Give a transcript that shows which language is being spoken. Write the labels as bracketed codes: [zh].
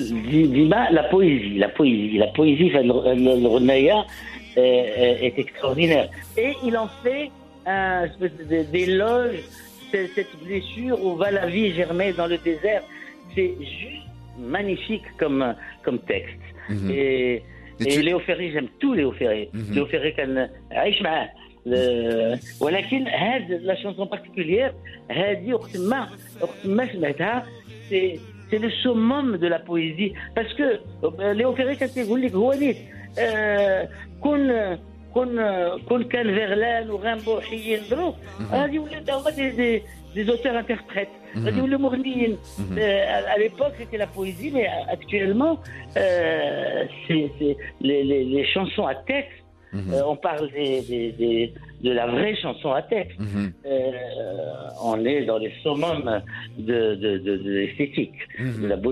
[ar] ديما [fr] la poésie [ar] في الغناية [fr] est extraordinaire et il en fait un espèce d'éloge cette blessure où va la vie germer dans le désert. C'est juste magnifique comme texte. Mm-hmm. Et Léo Ferré, j'aime tout Léo Ferré. Mm-hmm. [ar] Léo Ferré كان عايش معاه. ولكن هذه [fr] la chanson particulière, [ar] هذه وقت ما سمعتها, [fr] c'est le summum de la poésie, parce que Léo Ferré [ar] كان يقول لك هو ليه كون كان فيرلان وغامبو حيين درو, هذه ولات هما [fr] des auteurs interprètes. Mm-hmm. À l'époque, c'était la poésie, mais actuellement, c'est les chansons à texte. Mm-hmm. On parle de la vraie chanson à texte. Mm-hmm. On est dans les summums de l'esthétique, mm-hmm.